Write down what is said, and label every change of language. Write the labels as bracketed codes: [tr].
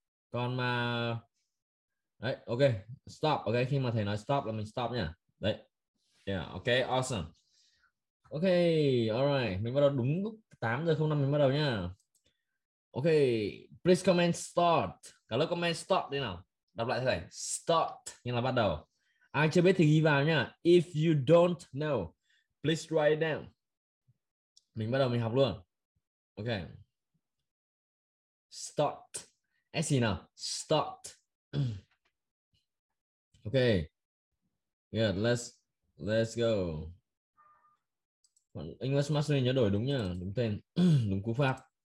[vi] Còn mà đấy, [en] ok, stop, ok, [vi] khi mà thầy nói stop là mình stop nha. Đấy. [en] Yeah, ok, awesome. Ok, alright, [vi] mình bắt đầu đúng lúc 8:05 mình bắt đầu nha. [en] Ok, please comment start. [vi] Cả lớp [en] comment start [vi] đi nào. Đọc lại thế này, start, nghĩa là bắt đầu. Ai chưa biết thì ghi vào nha. [en] If you don't know, please write it down. [vi] Mình bắt đầu mình học luôn. [en] Ok. Start. S nào, start. Ok. Yeah, let's go. [vi] English Mastery nhớ đổi đúng nha, đúng tên, đúng cú pháp.